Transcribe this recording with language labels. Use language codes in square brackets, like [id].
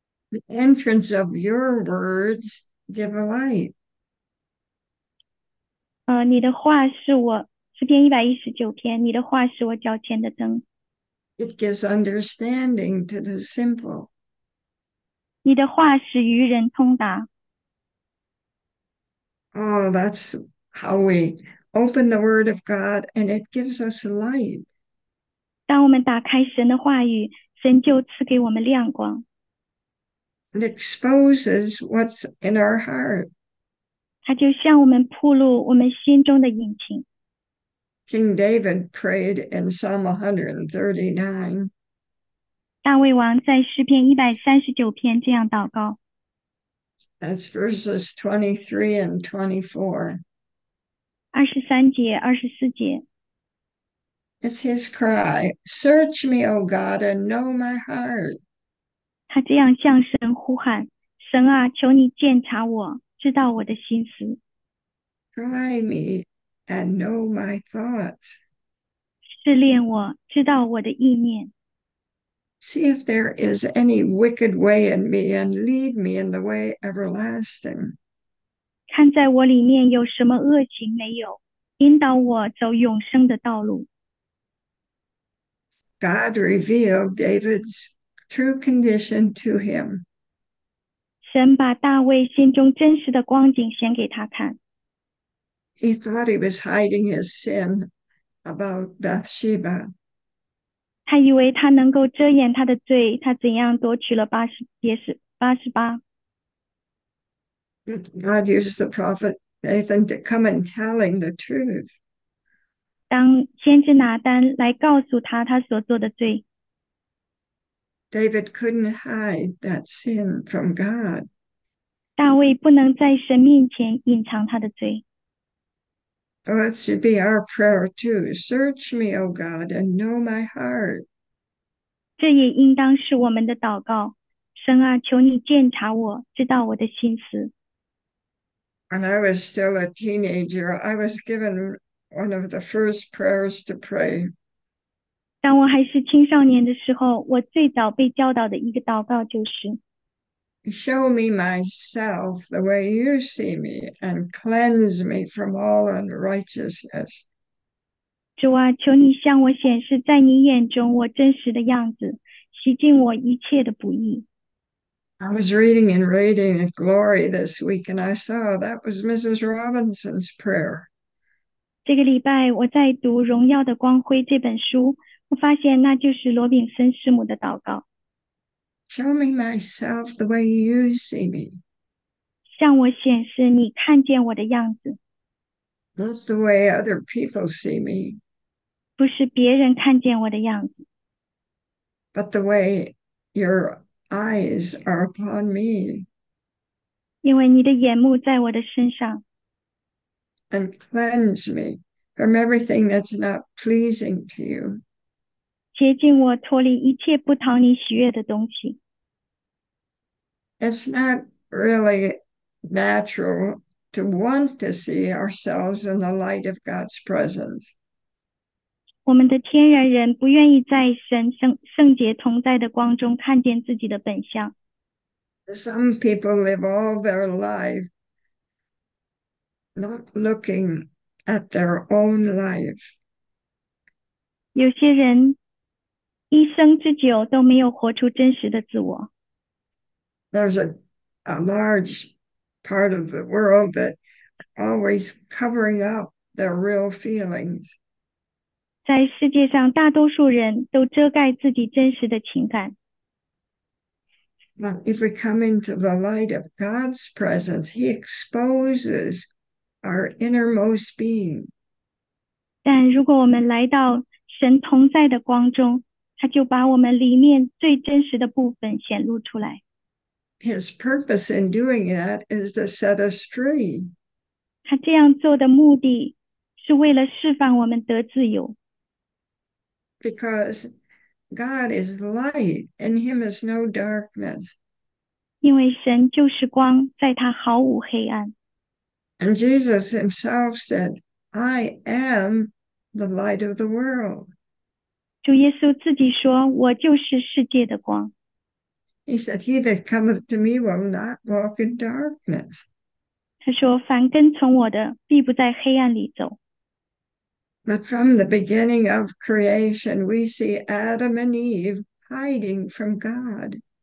[en] The entrance of your words give a light. [zh] 你的话是我，诗篇119篇，你的话是我脚前的灯。 [en] It gives understanding to the simple. [zh] 你的话使愚人通达。 [en] Oh, that's how we open the word of God and it gives us light. [zh] 当我们打开神的话语，神就赐给我们亮光。 [en] It exposes what's in our heart. [zh] 他就向我们暴露我们心中的隐情。 [en] King David prayed in Psalm 139. [zh] 大卫王在诗篇139篇这样祷告。 [en] That's verses 23 and 24. [zh] 23节、24节。 [en] It's his cry, "Search me, O God, and know my heart." [zh] 他这样向神呼喊：“神啊，求你鉴察我，知道我的心思。 [en] Try me and know my thoughts. [zh] ”试炼我，知道我的意念。 [en] See if there is any wicked way in me and lead me in the way everlasting. [zh] 看在我里面有什么恶行没有，引导我走永生的道路。 [en] God revealed David's true condition to him. [zh] 神把大卫心中真实的光景显给他看。 [en] He thought he was hiding his sin about Bathsheba. [zh] 他以为他能够遮掩他的罪，他怎样夺取了八十八。 [en] God uses the prophet Nathan to come and tell him the truth. [zh] 当先知拿单来告诉他他所做的罪， [en] David couldn't hide that sin from God. [zh] 大卫不能在神面前隐藏他的罪。 [en] Oh, it should be our prayer too. Search me, O God, and know my heart. [zh] 这也应当是我们的祷告：神啊，求你鉴察我，知道我的心思。 [en] When I was still a teenager, I was given one of the first prayers to pray. [zh] 当我还是青少年的时候，我最早被教导的一个祷告就是 [en] Show me myself the way you see me and cleanse me from all unrighteousness. [zh] 主啊，求你向我显示在你眼中我真实的样子，洗净我一切的不义。 [en] I was reading in Radiant Glory this week and I saw that was Mrs. Robinson's prayer. [zh] 这个礼拜我在读《荣耀的光辉》这本书。我发现那就是罗炳森师母的祷告。 [en] Show me myself the way you see me. [zh] 向我显示你看见我的样子， [en] Not the way other people see me, [zh] 不是别人看见我的样子。 [en] but the way your eyes are upon me. [zh] 因为你的眼目在我的身上。 [en] And cleanse me from everything that's not pleasing to you. [zh] 洁净我，脱离一切不讨你喜悦的东西。 [en] It's not really natural to want to see ourselves in the light of God's presence. [zh] 我们的天然人不愿意在圣洁同在的光中看见自己的本相。 [en] Some people live all their life not looking at their own life. [zh] 有些人一生之久都没有活出真实的自我。 [en] There's a large part of the world that always covering up their real feelings. [zh] 在世界上，大多数人都遮盖自己真实的情感。 [en] But if we come into the light of God's presence, He exposes our innermost being. [zh] 但如果我们来到神同在的光中，他就把我们里面最真实的部分显露出来。 [en] His purpose in doing that is to set us free. [zh] 他这样做的目的是为了释放我们得自由。 [en] Because God is light, in him is no darkness. [zh] 因为神就是光，在他毫无黑暗。 [en] And Jesus himself said, "I am the light of the world." [zh] 主耶稣自己说：“我就是世界的光。 [en] He said, "He that cometh to me will not walk in darkness, [zh] ”他说：“凡跟从我的，必不在黑暗里走。 [en] but from the beginning of creation, we see Adam and Eve hiding from God."